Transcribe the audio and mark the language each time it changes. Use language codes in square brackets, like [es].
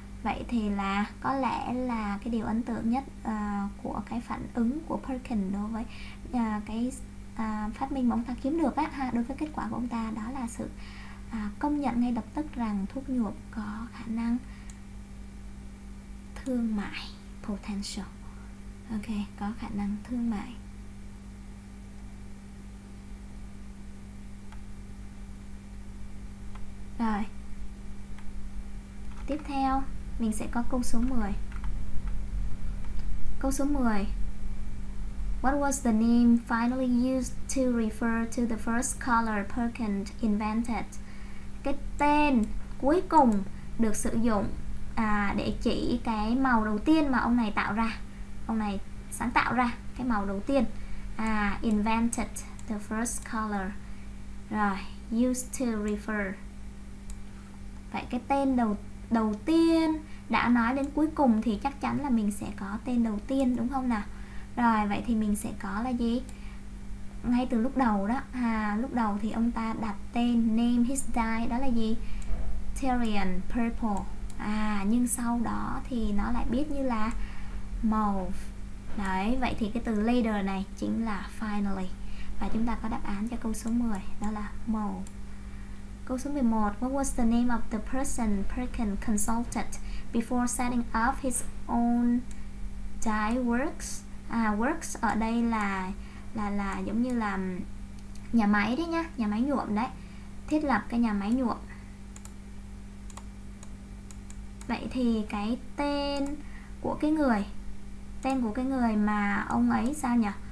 [vi] Vậy thì là có lẽ là cái điều ấn tượng nhất của cái phản ứng của Perkins đối với cái phát minh mà ông ta kiếm được á, ha, đối với kết quả của ông ta, đó là sự công nhận ngay lập tức rằng thuốc nhuộm có khả năng thương mại, potential. Ok, có khả năng thương mại. Rồi, tiếp theo mình sẽ có câu số 10. Câu số 10. [en] What was the name finally used to refer to the first color Perkins invented? [vi] Cái tên cuối cùng được sử dụng để chỉ cái màu đầu tiên mà ông này tạo ra. Ông này sáng tạo ra cái màu đầu tiên. [en] Invented the first color. [vi] Rồi, [en] used to refer. [vi] Vậy cái tên đầu tiên đã nói đến cuối cùng thì chắc chắn là mình sẽ có tên đầu tiên, đúng không nào? Rồi, vậy thì mình sẽ có là gì? Ngay từ lúc đầu đó, lúc đầu thì ông ta đặt tên, [en] name his dye, [vi] đó là gì? Tyrian Purple. Nhưng sau đó thì nó lại biết như là mauve. Đấy, vậy thì cái từ later này chính là finally. Và chúng ta có đáp án cho câu số 10, đó là mauve. Câu số 11, [en] what was the name of the person Perkins consulted before setting up his own dye works? [vi] Works ở đây là giống như là nhà máy đấy nhá, nhà máy nhuộm đấy. Thiết lập cái nhà máy nhuộm. Vậy thì cái tên của cái người, tên của cái người mà ông ấy sao nhỉ?